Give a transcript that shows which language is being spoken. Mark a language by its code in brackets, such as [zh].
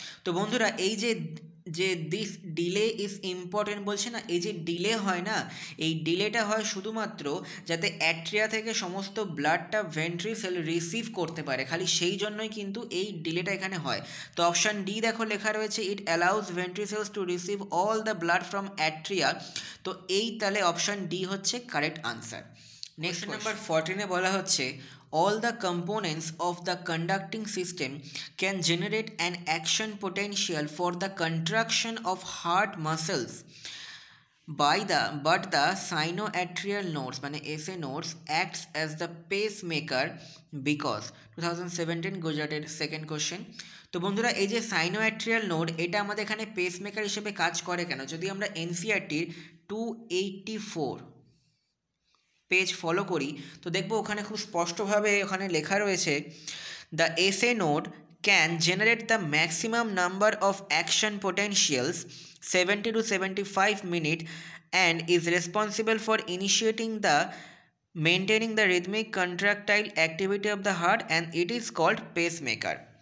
[bn] তো বন্ধুরা এই যে [en] this delay is important [bn] বলছে না, এই যে ডিলে হয় না, এই ডিলেটা হয় শুধুমাত্র যাতে অ্যাট্রিয়া থেকে সমস্ত ব্লাডটা ভেন্ট্রি সেল রিসিভ করতে পারে, খালি সেই জন্যই কিন্তু এই ডিলেটা এখানে হয়। তো অপশান ডি দেখো লেখা রয়েছে [en] It allows ventricles to receive all the blood from atria. [bn] তো এই তাহলে অপশান ডি হচ্ছে কারেক্ট আনসার। নেক্সট নাম্বার 14 বলা হচ্ছে [en] All the components of the conducting system can generate an action potential for the contraction of heart muscles but the sinoatrial nodes, মানে SA nodes, acts as the pacemaker because 2017 [bn] গুজরাটের second question. তো বন্ধুরা এই যে sinoatrial node এটা আমাদের এখানে pacemaker হিসেবে কাজ করে কেন, যদি আমরা এনসিআরটির 284 পেজ ফলো করি তো দেখবো ওখানে খুব স্পষ্টভাবে ওখানে লেখা রয়েছে [en] The S A node can generate the maximum number of action potentials 70 to 75 minute and is responsible for initiating the maintaining the rhythmic contractile activity of the heart and it is called pacemaker.